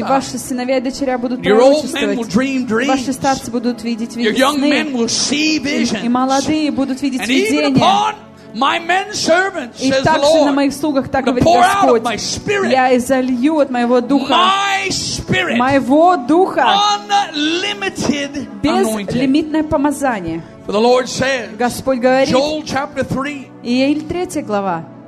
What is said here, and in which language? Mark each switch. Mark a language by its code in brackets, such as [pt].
[ru] И ваши сыновья и дочери будут пророчествовать. Ваши старцы будут видеть видения. [en] Your young men will see visions. [ru] И молодые будут видеть видения. [en] And even upon my men servants, says the Lord. [ru] И также на моих слугах, так говорит Господь. Я излью от моего духа. [en] My spirit. [ru] Моего духа. [en] Unlimited anointing. [ru] Безлимитное помазание. [en] For the Lord says. [ru] Господь говорит. [en] Joel chapter 3. [ru] Иаиль 3 глава.